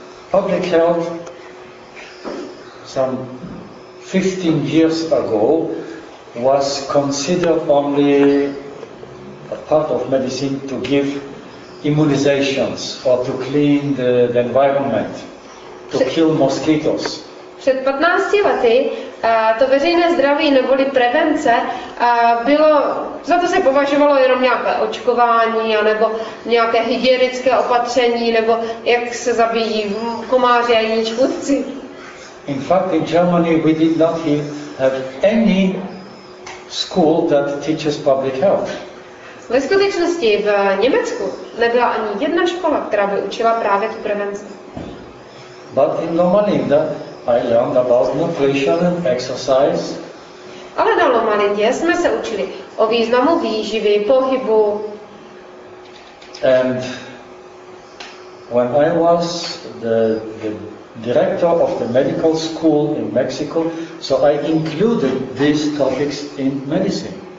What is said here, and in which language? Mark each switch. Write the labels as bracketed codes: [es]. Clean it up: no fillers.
[en] Public health some 15 years ago was considered only a part of medicine to give immunizations or to clean the environment, to kill mosquitoes. [cs] Před 15 lety to veřejné zdraví neboli prevence bylo, za to se považovalo jenom nějaké očkování nebo nějaké hygienické opatření nebo jak se zabíjí komáři a jiní škůdci. [en] In fact, in Germany we did not have any school that teaches public health. [cs] Ve skutečnosti v Německu nebyla ani jedna škola, která by učila právě tu prevenci. [en] But in Loma Linda I learned about nutrition and exercise. [cs] Ale na Loma Lindě jsme se učili o významu výživy, pohybu. [en] And when I was the director of the medical school in Mexico, so I included these topics in medicine.